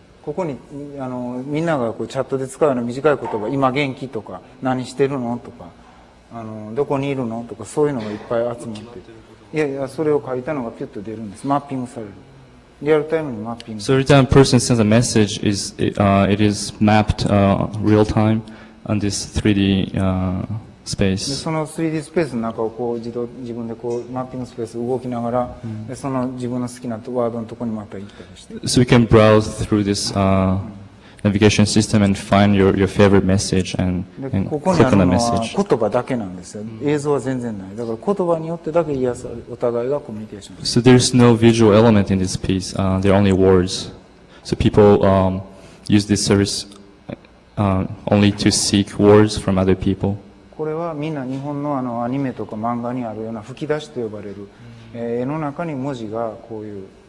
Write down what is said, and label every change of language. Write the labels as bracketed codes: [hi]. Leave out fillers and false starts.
[ja] ここにあのみんながこうチャットで使うような短い言葉、今元気とか何してるのとか、あのどこにいるのとか、そういうのがいっぱい集まってる。いやいや、それを書いたのがピュッと出るんです。マッピングされる。リアルタイムにマッピング。 [en] So every time a person sends a message, it is mapped real time on this 3D space. [ja] その3D スペースの中をこう自動自分でこうマッピングスペース動きながら、mm-hmm. その自分の好きなワードのところにまた行ったりして。 [en] So we can browse through this navigation system and find your favorite message and click on the message. [ja] ここにあるのは言葉だけなんですよ。映像は全然ない。だから言葉によってだけ癒さ、お互いがコミュニケーション。 [en] So there's no visual element in this piece. There are only words. So people use this service only to seek words from other people. [ja] これはみんな日本のあのアニメとか漫画にあるような吹き出しと呼ばれる、絵の中に文字がこういう。